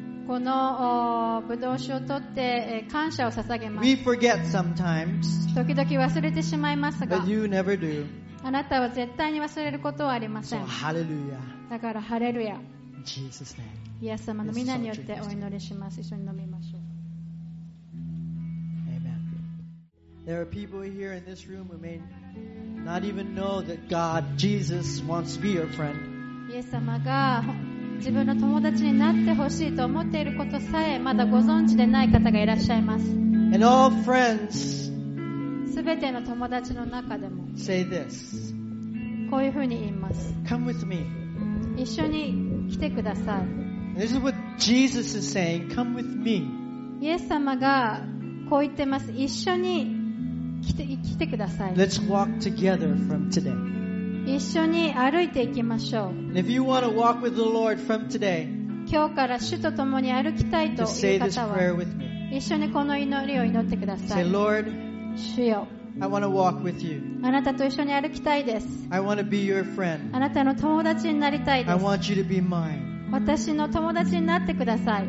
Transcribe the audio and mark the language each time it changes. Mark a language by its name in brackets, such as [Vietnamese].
[Japanese] このぶどう酒を取って感謝を捧げます。 [English] We forget sometimes. [Japanese] 時々忘れてしまいますが。 [English] But you never do. [Japanese] あなたは絶対に忘れることはありません。 [English] So, hallelujah. [Japanese] だからハレルヤ。 [English] In Jesus' name. [Japanese] イエス様の皆によってお祈りします。一緒に飲みましょう。 [English] Amen. There are people here in this room who may not even know that God, Jesus, wants to be your friend. [Japanese] イエス様が自分の友達になってほしいと思っていることさえまだご存知でない方がいらっしゃいます。 [English] And all friends. [Japanese] すべての友達の中でも [English] Say this. [Japanese] こういうふうに言います。 [English] Come with me. [Japanese] 一緒に来てください。 [English] This is what Jesus is saying. Come with me. [Japanese] イエス様がこう言ってます。一緒に来てください。 [English] Let's walk together from today. [Japanese] 一緒に歩いていきましょう。 [English] If you want to walk with the Lord from today, [Japanese] 今日から主と共に歩きたいという方は [English] Say this prayer with me. [Japanese] 一緒にこの祈りを祈ってください。 [English] Say, Lord, [Japanese] 主よ、 [English] I want to walk with you. [Japanese] あなたと一緒に歩きたいです。 [English] I want to be your friend. [Japanese] あなたの友達になりたいです。 [English] I want you to be mine. 私の友達になってください。